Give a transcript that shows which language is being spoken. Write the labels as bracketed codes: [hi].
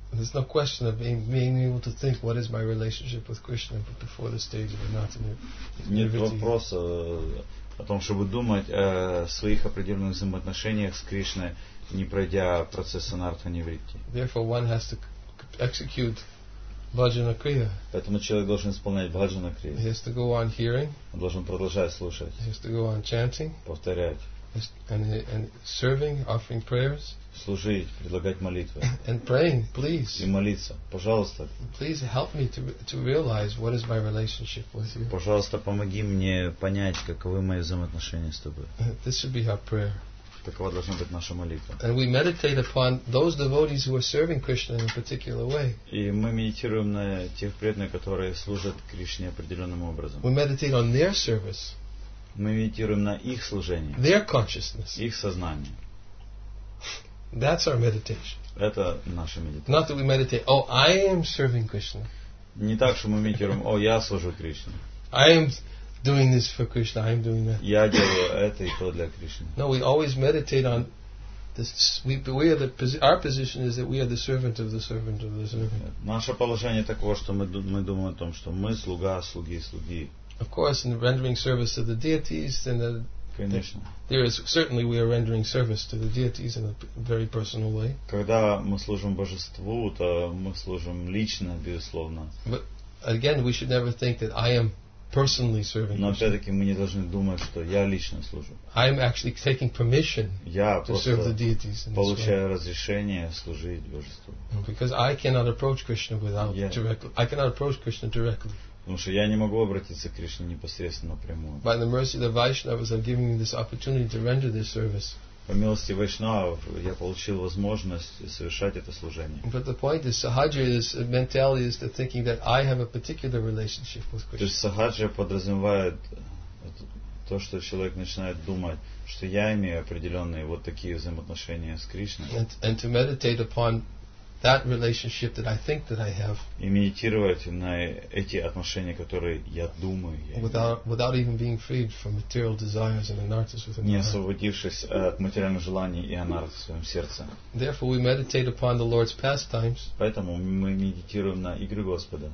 [en] There's no question of being able to think what is my relationship with Krishna before the stage of anartha nivritti. [ru] Нет вопроса о том, чтобы думать о своих определенных взаимоотношениях с Кришной, не пройдя процесс анартха нивритти. [en] Therefore, one has to execute bhajana kriya. [ru] Поэтому человек должен исполнять bhajana kriya. [en] He has to go on hearing. [ru] Он должен продолжать слушать. [en] He has to go on chanting. [ru] Повторять. [en] and serving, offering prayers. [ru] Служить, предлагать молитвы. [en] And praying, please. [ru] И молиться, пожалуйста. [en] Please help me to realize what is my relationship with you. [ru] Пожалуйста, помоги мне понять, каковы мои взаимоотношения с тобой. [en] This should be our prayer. [ru] Такова должна быть наша молитва. [en] And we meditate upon those devotees who are serving Krishna in a particular way. [ru] И мы медитируем на тех преданных, которые служат Кришне определенным образом. [en] We meditate on their service. [ru] Мы медитируем на их служение. [en] Their consciousness. [ru] Их сознание. [en] That's our meditation. [ru] Это наша медитация. [en] Not that we meditate, oh, I am serving Krishna. [ru] Не так, что мы медитируем, о, я служу Кришне. [en] I am doing this for Krishna, I am doing that. [ru] Я делаю это и то для Кришны. [en] No, we always meditate on this. Our position is that we are the servant of the servant of the servant. [ru] Наше положение такое, что мы думаем о том, что мы слуга, слуги, слуги. [en] Of course, in rendering service to the deities, then the [ru] Конечно. [en] There is certainly we are rendering service to the deities in a very personal way. [ru] Когда мы служим божеству, то мы служим лично, безусловно. [en] But again, we should never think that I am personally serving. [ru] Но опять-таки мы не должны думать, что я лично служу. [en] I am actually taking permission to serve the deities. [ru] Я получаю разрешение служить божеству. [en] Because I cannot approach Krishna without directly. I cannot approach Krishna directly. [ru] Потому что я не могу обратиться к Кришне непосредственно напрямую. [en] By the mercy of the Vaishnavas, I'm giving you this opportunity to render this service. [ru] По милости Вайшнавов, я получил возможность совершать это служение. [en] But the point is, Sahaja's mentality is the thinking that I have a particular relationship with Krishna. [ru] То есть Сахаджа подразумевает то, что человек начинает думать, что я имею определенные вот такие взаимоотношения с Кришной. [en] And to meditate upon that relationship that I think that I have. [ru] И медитировать на эти отношения, которые я думаю. [en] Without even being freed from material desires and anarthas within my heart. [ru] Не освободившись от материальных желаний и анартхи в своем сердце. [en] Therefore, we meditate upon the Lord's pastimes. [ru] Поэтому мы медитируем на игры Господа.